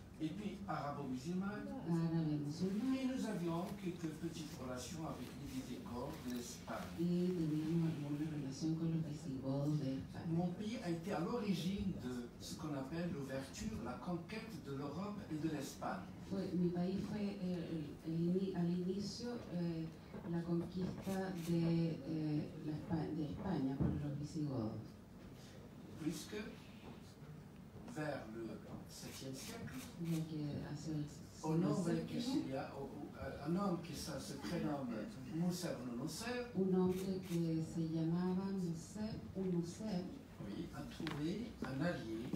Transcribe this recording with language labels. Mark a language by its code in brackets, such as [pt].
[fr] et puis arabo-musulmane. Et nous avions quelques petites relations avec les Visigoths de l'Espagne. Mon pays a été à l'origine de ce qu'on appelle l'ouverture, la conquête de l'Europe et de l'Espagne. [es] Mi país fue al inicio la conquista de España por los visigodos. [fr] Puisque vers le 7e siècle, au nom de Castilla, un homme qui se prénomme Mousser ou Nusser, un homme qui se [es] llamaba [fr] Mousser ou Nusser, a trouvé un allié,